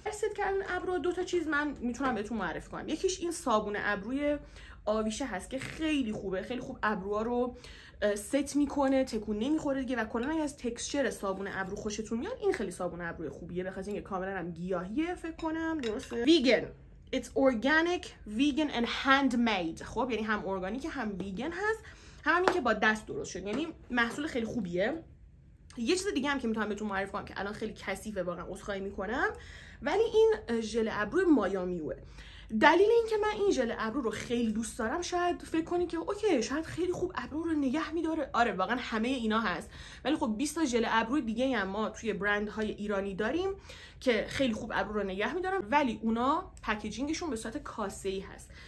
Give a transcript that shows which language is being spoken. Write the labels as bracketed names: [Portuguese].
[Persian] سد کردن ابرو دو تا چیز من میتونم بهتون معرفی کنم. یکیش این صابون ابروی آویشه هست که خیلی خوبه، خیلی خوب ابروها رو ست میکنه، تکون نمیخوره دیگه و کلا اگه از تکسچر صابون ابرو خوشتون میاد، این خیلی صابون ابرو خوبیه. بخاطر اینکه کاملا هم گیاهیه فکر کنم، درسته؟ ویگن. [English] It's organic, vegan and handmade. [Persian] خب یعنی هم ارگانیک هم ویگن هست، هم این که با دست درست شده. یعنی محصول خیلی خوبیه. یه چیز دیگه هم که میتونم بهتون معرفی کنم که الان خیلی کثیفه واقعا، عذرخواهی میکنم، ولی این ژل ابرو مایامیوه. دلیل این که من این ژل ابرو رو خیلی دوست دارم، شاید فکر کنید که اوکی شاید خیلی خوب ابرو رو نگه میداره، آره واقعا همه اینا هست، ولی خب 20 تا ژل ابرو دیگه هم ما توی برندهای ایرانی داریم که خیلی خوب ابرو رو نگه میدارن، ولی اونا پکیجینگشون به صورت کاسه‌ای هست.